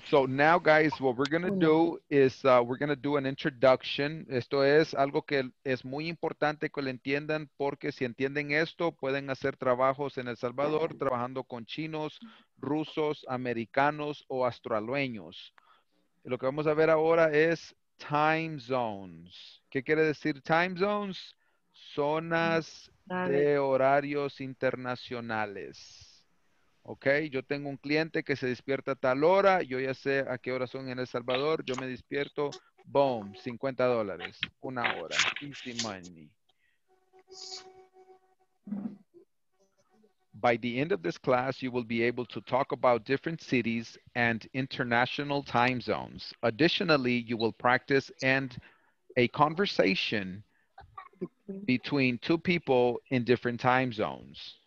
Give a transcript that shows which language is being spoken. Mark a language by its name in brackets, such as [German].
[English] So now, guys, what we're going to do is we're going to do an introduction. [Spanish] Esto es algo que es muy importante que lo entiendan, porque si entienden esto, pueden hacer trabajos en El Salvador trabajando con chinos, rusos, americanos o australueños. Lo que vamos a ver ahora es time zones. ¿Qué quiere decir time zones? zonas de horarios internacionales. Ok, yo tengo un cliente que se despierta a tal hora, yo ya sé a qué hora son en El Salvador, yo me despierto, boom, $50, una hora, [English] easy money. By the end of this class, you will be able to talk about different cities and international time zones. Additionally, you will practice and a conversation between two people in different time zones.